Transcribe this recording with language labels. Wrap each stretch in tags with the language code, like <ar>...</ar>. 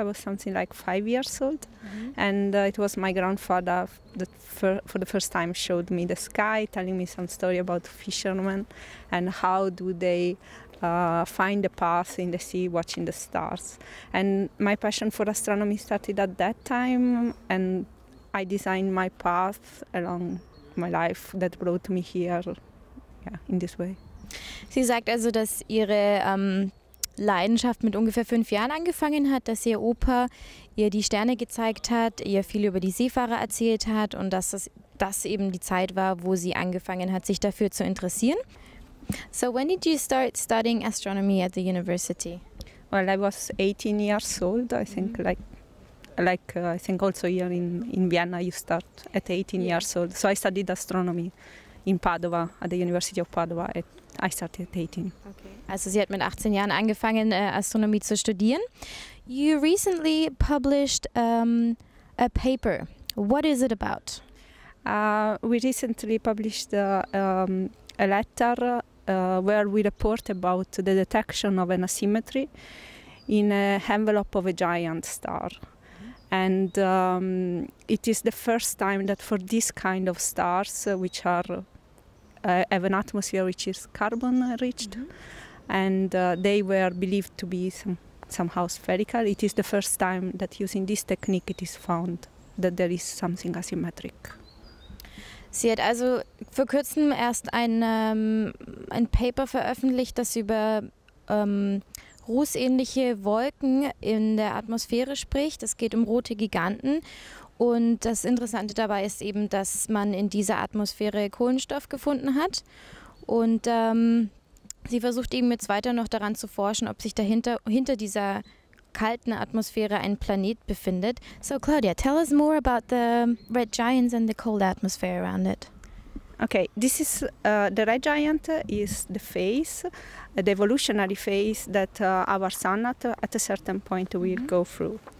<en>I was something like 5 years old. Mm-hmm. And it was my grandfather that for the first time showed me the sky, telling me some story about fishermen and how do they find a path in the sea watching the stars. And my passion for astronomy started at that time, and I designed my path along my life that brought me here, yeah, in this way.</en> <de>Sie sagt also, dass ihre Leidenschaft mit ungefähr 5 Jahren angefangen hat, dass ihr Opa ihr die Sterne gezeigt hat, ihr viel über die Seefahrer erzählt hat und dass das eben die Zeit war, wo sie angefangen hat, sich dafür zu interessieren.</de> <en>So when did you start studying astronomy at the university? Well, I was 18 years old, I think, mm-hmm. like I think also here in Vienna you start at 18 yeah. years old. So I studied astronomy in Padova, at the University of Padova. I started at 18. Okay.</en> <de>Also sie hat mit 18 Jahren angefangen, Astronomie zu studieren.</de> <en>You recently published a paper. What is it about? We recently published a letter where we report about the detection of an asymmetry in an envelope of a giant star. And it is the first time that for this kind of stars, which are have an atmosphere which is carbon rich, mm-hmm. and they were believed to be somehow spherical, it is the first time that using this technique it is found that there is something asymmetric.</en> <de>Sie hat also vor kurzem erst ein Paper veröffentlicht, das über rußähnliche Wolken in der Atmosphäre spricht. Es geht um rote Giganten. Und das Interessante dabei ist eben, dass man in dieser Atmosphäre Kohlenstoff gefunden hat. Und sie versucht eben jetzt weiter noch daran zu forschen, ob sich dahinter hinter dieser kalten Atmosphäre ein Planet befindet.</de> <en>So Claudia, tell us more about the red giants and the cold atmosphere around it. Okay, this is the red giant is the phase, the evolutionary phase that our sun at a certain point will mm-hmm. go through.</en>